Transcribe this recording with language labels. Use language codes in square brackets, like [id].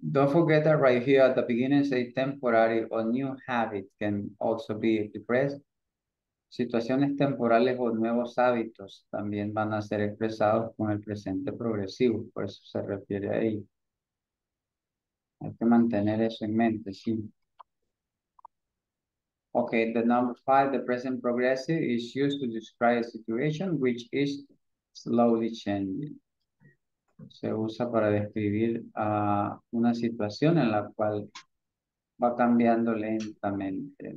[en] Don't forget that right here at the beginning, say temporary or new habits can also be expressed. [es] Situaciones temporales o nuevos hábitos también van a ser expresados con el presente progresivo, por eso se refiere a ello. Hay que mantener eso en mente, sí. [en] Okay, the number five, the present progressive is used to describe a situation which is slowly changing. [es] Se usa para describir una situación en la cual va cambiando lentamente.